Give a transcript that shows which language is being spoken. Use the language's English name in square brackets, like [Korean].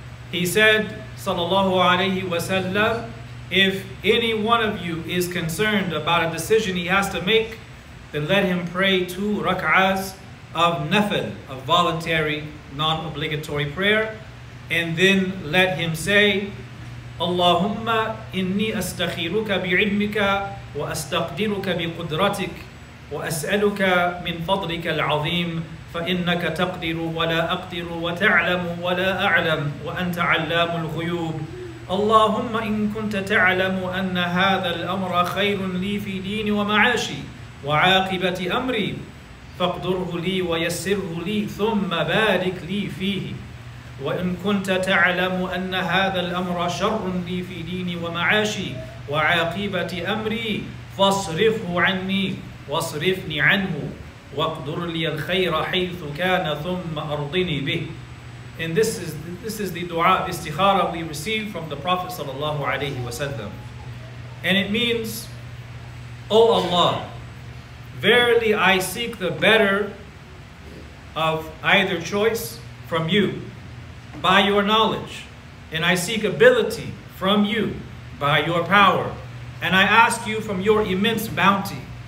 [English] He said, sallallahu alayhi wasallam, if any one of you is concerned about a decision he has to make, then let him pray two rak'ahs of nafil, of voluntary, non-obligatory prayer, and then let him say, [Arabic] Allahumma inni astakhiruka bi'ilmika wa astaqdiruka biqudratik wa as'aluka min fadlika al-azim. فَإِنَّكَ تَقْدِرُ وَلَا أَقْدِرُ وَتَعْلَمُ وَلَا أَعْلَمُ وَأَنْتَ عَلَّامُ الْغُيُوبِ اللهم إن كنت تعلم أن هذا الأمر خير لي في ديني ومعاشي وعاقبة أمري فاقدره لي ويسره لي ثم بارك لي فيه وإن كنت تعلم أن هذا الأمر شر لي في ديني ومعاشي وعاقبة أمري فاصرفه عني واصرفني عنه. وَقْدُرْ لِيَ الْخَيْرَ حَيْثُ كَانَ ثُمَّ أَرْضِنِي بِهِ. [English] And this is the dua of istikhara we receive from the Prophet sallallahu alayhi wasallam. And it means, O Allah, verily I seek the better of either choice from you by your knowledge, and I seek ability from you by your power, and I ask you from your immense bounty.